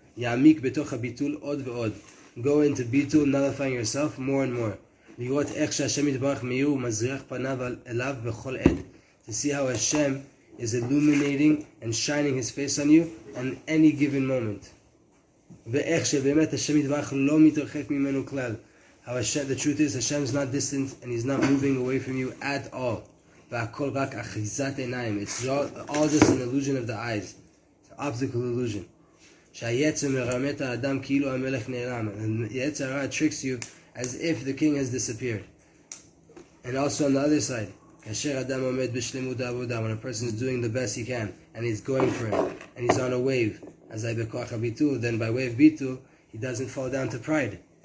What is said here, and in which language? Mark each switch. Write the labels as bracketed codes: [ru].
[he] יעמיק בתוך הביטול עוד ועוד. [en] Go into ביטול, nullifying yourself more and more. [he] לראות איך שהשם יתברך מאיר ומזריח פניו אליו בכל עד. [en] To see how Hashem is illuminating and shining His face on you on any given moment. [he] ואיך שבאמת השם יתברך לא מתרחק ממנו כלל. [en] The truth is, Hashem is not distant and He's not moving away from you at all. [he] והכל רק אחיזת עיניים. [en] It's all just an illusion of the eyes. It's an optical illusion. [he] שהיצר מרמה את האדם כאילו המלך נעלם. [en] היצר tricks you as if the king has disappeared. And also on the other side, [he] כאשר אדם עומד בשלמות העבודה, [en] when a person is doing the best he can, and he's going for it, and he's on a wave, as I [he] בכוח הביטול, [en] then by way of ביטול, he doesn't fall down to pride.